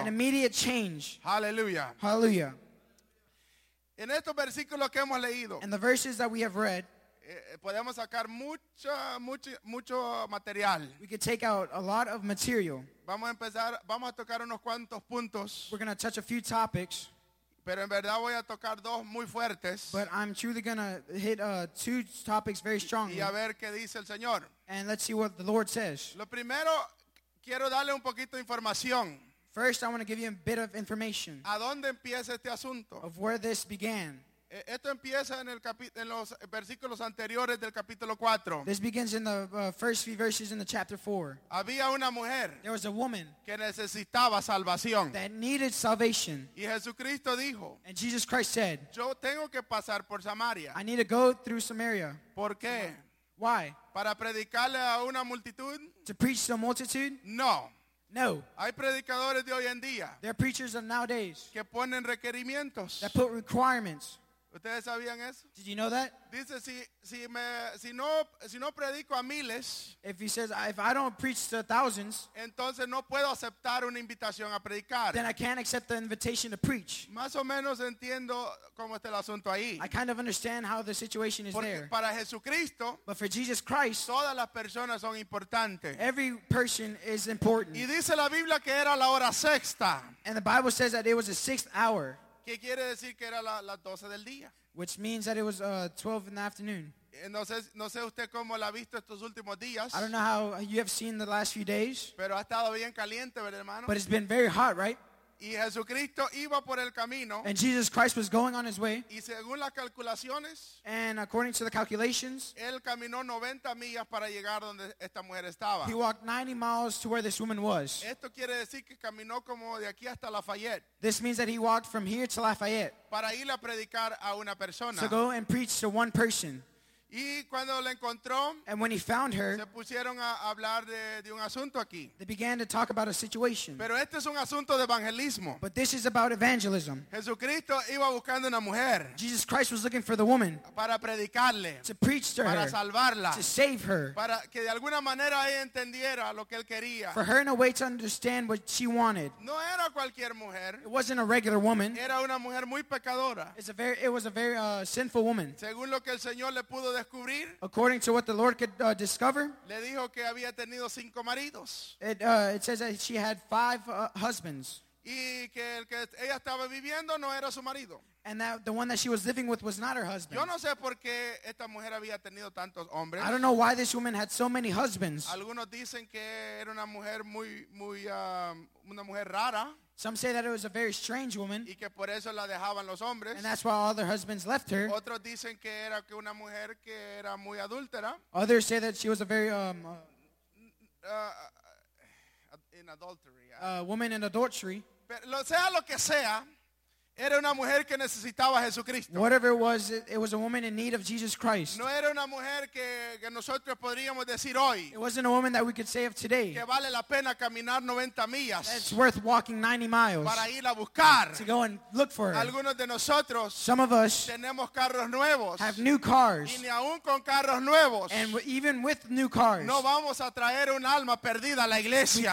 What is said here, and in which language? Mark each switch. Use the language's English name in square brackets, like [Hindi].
[English] an immediate change. Hallelujah. Hallelujah. [Spanish] En estos versículos que hemos leído, [English] in the verses that we have read, [Spanish] podemos sacar mucho material. [English] We could take out a lot of material. [Spanish] Vamos a tocar unos cuantos puntos. [English] We're going to touch a few topics. [Spanish] Pero en verdad voy a tocar dos muy fuertes. [English] But I'm truly going to hit two topics very strongly. [Spanish] Y a ver qué dice el Señor. [English] And let's see what the Lord says. [Spanish] Lo primero, quiero darle un poquito de información. [English] First, I want to give you a bit of information. [Spanish] ¿A dónde empieza este asunto? [English] Of where this began. [Spanish] Esto empieza en los versículos anteriores del capítulo 4. [English] This begins in the first few verses in the chapter 4. [Spanish] Había una mujer, [English] there was a woman, [Spanish] que necesitaba salvación, [English] that needed salvation. [Spanish] Y Jesucristo dijo, [English] and Jesus Christ said, [Spanish] yo tengo que pasar por Samaria. [English] I need to go through Samaria. [Spanish] ¿Por qué? [English] Why? [Spanish] ¿Para predicarle a una multitud? [English] To preach to a multitude? [Spanish] No. [English] No. [Spanish] Hay predicadores de hoy en día, [English] there are preachers of nowadays, [Spanish] que ponen requerimientos, [English] that put requirements. [Spanish] ¿Ustedes sabían eso? [English] Did you know that? [Spanish] Dice, si no predico a miles, [English] if he says, if I don't preach to thousands, [Spanish] entonces no puedo aceptar una invitación a predicar. [English] Then I can't accept the invitation to preach. [Spanish] Más o menos entiendo cómo está el asunto ahí. [English] I kind of understand how the situation is [Spanish] porque [English] there. [Spanish] Para Jesucristo, [English] but for Jesus Christ, [Spanish] todas las personas son importantes. [English] Every person is important. [Spanish] Y dice la Biblia que era la hora sexta. [English] And the Bible says that it was the sixth hour. [Spanish] ¿Qué quiere decir que era las 12 del día? [English] Which means that it was 12 in the afternoon. [Spanish] No sé usted cómo la ha visto estos últimos días. [English] I don't know how you have seen the last few days. [Spanish] Pero ha estado bien caliente, ¿verdad, hermano? [English] But it's been very hot, right? [Spanish] Y Jesucristo iba por el camino. [English] And Jesus Christ was going on his way. [Spanish] Y según las calculaciones, [English] and according to the calculations, [Spanish] él caminó 90 millas para llegar donde esta mujer estaba. [English] He walked 90 miles to where this woman was. [Spanish] Esto quiere decir que caminó como de aquí hasta Lafayette. [English] This means that he walked from here to Lafayette. [Spanish] Para ir a predicar a una persona. [English] To go and preach to one person. [Spanish] Y cuando la encontró, [English] and when he found her, [Spanish] se pusieron a hablar de un asunto aquí. [English] They began to talk about a situation. [Spanish] Pero este es un asunto de evangelismo. [English] But this is about evangelism. [Spanish] Jesucristo iba buscando una mujer. [English] Jesus Christ was looking for the woman. [Spanish] Para predicarle. [English] To preach to [Spanish] para [English] her. [Spanish] Para salvarla. [English] To save her. [Spanish] Para que de alguna manera ella entendiera lo que él quería. [English] For her in a way to understand what she wanted. [Spanish] No era cualquier mujer. [English] It wasn't a regular woman. [Spanish] Era una mujer muy pecadora. [English] It was a very sinful woman. [Spanish] Según lo que el Señor le pudo decir. [English] According to what the Lord could discover, [Spanish] le dijo que había tenido cinco maridos. [English] It says that she had five husbands. [Spanish] Y que el que ella estaba viviendo no era su marido. [English] And that the one that she was living with was not her husband. [Spanish] Yo no sé por qué esta mujer había tenido tantos hombres. [English] I don't know why this woman had so many husbands. [Spanish] Algunos dicen que era una mujer muy, muy, una mujer rara. [English] Some say that it was a very strange woman. [Spanish] Y que por eso la dejaban los hombres. [English] And that's why all their husbands left her. [Spanish] Otros dicen que era que una mujer que era muy adúltera. [English] Others say that she was a very in adultery. A woman in adultery. [Spanish] Pero sea lo que sea, Era una mujer que necesitaba a Jesucristo. [English] Whatever it was a woman in need of Jesus Christ. [Spanish] No era una mujer que nosotros podríamos decir hoy. [English] It wasn't a woman that we could say of today. [Spanish] Que vale la pena caminar 90 millas. [English] It's worth walking 90 miles. [Spanish] Para ir a buscar. [English] To go and look for her. [Spanish] Algunos de nosotros. [English] Some of us. [Spanish] Tenemos carros nuevos. [English] Have new cars. [Spanish] Y ni aún con carros nuevos. [English] And even with new cars. [Spanish] No vamos a traer un alma perdida a la iglesia.